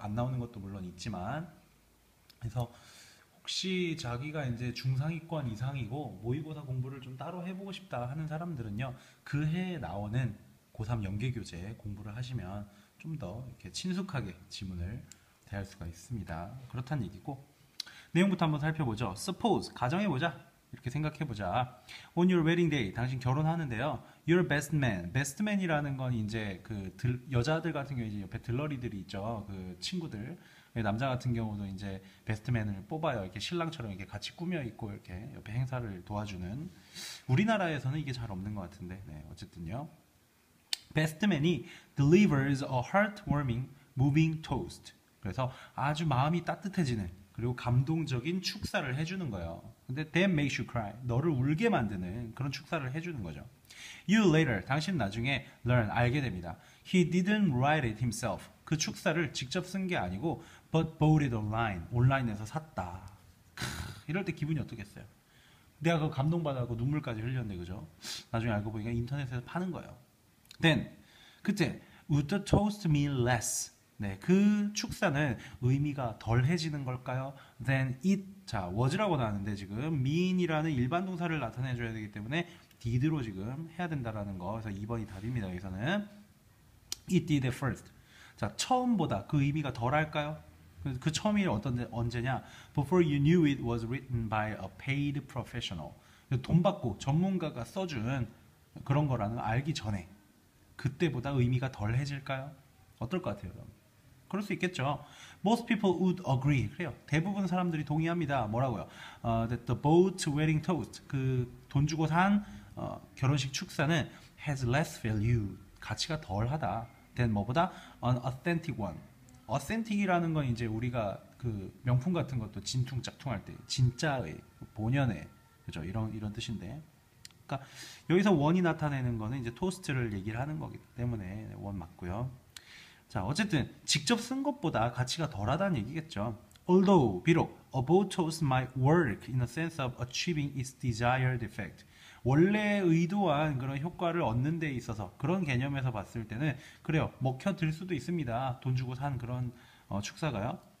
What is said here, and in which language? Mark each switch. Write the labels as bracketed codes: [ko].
[ko] 안 나오는 것도 물론 있지만. 그래서 혹시 자기가 이제 중상위권 이상이고 모의고사 공부를 좀 따로 해보고 싶다 하는 사람들은요, 그 해에 나오는 고3 연계교재 공부를 하시면 좀 더 이렇게 친숙하게 지문을 대할 수가 있습니다. 그렇다는 얘기고, 내용부터 한번 살펴보죠. Suppose, 가정해보자. 이렇게 생각해보자. [en] On your wedding day, [ko] 당신 결혼하는데요. [en] Your best man. [ko] Best man이라는 건 이제 그 여자들 같은 경우 이제 옆에 들러리들이 있죠. 그 친구들. 남자 같은 경우도 이제 best man을 뽑아요. 이렇게 신랑처럼 이렇게 같이 꾸며 입고 이렇게 옆에 행사를 도와주는. 우리나라에서는 이게 잘 없는 것 같은데. 네, 어쨌든요. [en] Best man이 delivers a heartwarming moving toast. [ko] 그래서 아주 마음이 따뜻해지는 그리고 감동적인 축사를 해주는 거예요. 근데 [en] that makes you cry, [ko] 너를 울게 만드는 그런 축사를 해주는 거죠. [en] You later, [ko] 당신 나중에 learn, 알게 됩니다. [en] He didn't write it himself. [ko] 그 축사를 직접 쓴 게 아니고 [en] but bought it online, [ko] 온라인에서 샀다. 크, 이럴 때 기분이 어떻겠어요? 내가 그거 감동받아서 눈물까지 흘렸네, 그죠? 나중에 알고 보니까 인터넷에서 파는 거예요. [en] Then, [ko] 그때 [en] would the toast mean less? [ko] 네, 그 축사는 의미가 덜해지는 걸까요? Then it, 자, was라고 나왔는데 지금 mean이라는 일반 동사를 나타내줘야 되기 때문에 did로 지금 해야 된다라는 거. 그래서 2번이 답입니다. [en] 여기서는 it did at first. [ko] 자, 처음보다 그 의미가 덜할까요? 그 처음이 언제냐? [en] Before you knew it was written by a paid professional. [ko] 돈 받고 전문가가 써준 그런 거라는 걸 알기 전에 그때보다 의미가 덜해질까요? 어떨 것 같아요, 여러분? 그럴 수 있겠죠. [en] Most people would agree. [ko] 그래요. 대부분 사람들이 동의합니다. 뭐라고요? [en] That the boat wedding toast, [ko] 그 돈 주고 산 결혼식 축사는 [en] has less value, [ko] 가치가 덜하다. [en] Than [ko] 뭐보다? [en] An authentic one. [ko] Authentic이라는 건 이제 우리가 그 명품 같은 것도 진퉁짝퉁할 때 진짜의, 본연의, 그렇죠? 이런 뜻인데. 그러니까 여기서 원이 나타내는 거는 이제 토스트를 얘기를 하는 거기 때문에 원 맞고요. 자, 어쨌든 직접 쓴 것보다 가치가 덜하다는 얘기겠죠. [en] Although, [ko] 비록 [en] a boat toast might work in a sense of achieving its desired effect. [ko] 원래 의도한 그런 효과를 얻는 데 있어서, 그런 개념에서 봤을 때는 그래요, 먹혀들 수도 있습니다. 돈 주고 산 그런 축사가요.